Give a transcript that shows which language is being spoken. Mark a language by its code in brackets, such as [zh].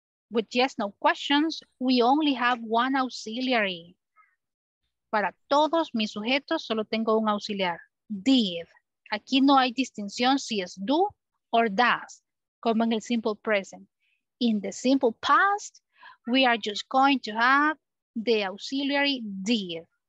[en] With yes, no questions, we only have one auxiliary. [es] Para todos mis sujetos, solo tengo un auxiliar. Did. Aquí no hay distinción si es do or does, como en el simple present. [en] In the simple past, we are just going to have the auxiliary did.